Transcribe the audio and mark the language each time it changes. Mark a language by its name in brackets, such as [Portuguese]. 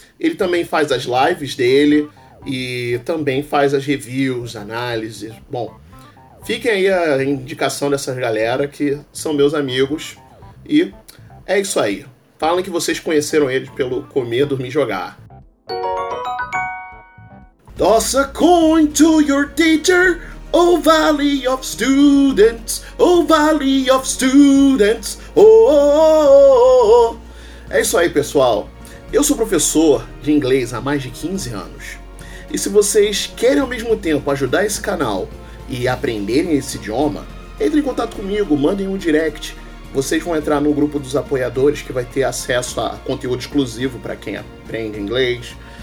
[Portuguese] Ele também faz as lives dele e também faz as reviews, análises. Bom, fiquem aí a indicação dessas galera que são meus amigos. E é isso aí. Falem que vocês conheceram ele pelo Comer, Dormir e Jogar. [English] Toss a coin to your teacher, O Valley of Students, O Valley of Students, oh, oh, oh, oh. [Portuguese] É isso aí, pessoal. Eu sou professor de inglês há mais de 15 anos. E se vocês querem ao mesmo tempo ajudar esse canal e aprenderem esse idioma, entrem em contato comigo, mandem um direct. Vocês vão entrar no grupo dos apoiadores que vai ter acesso a conteúdo exclusivo para quem aprende inglês.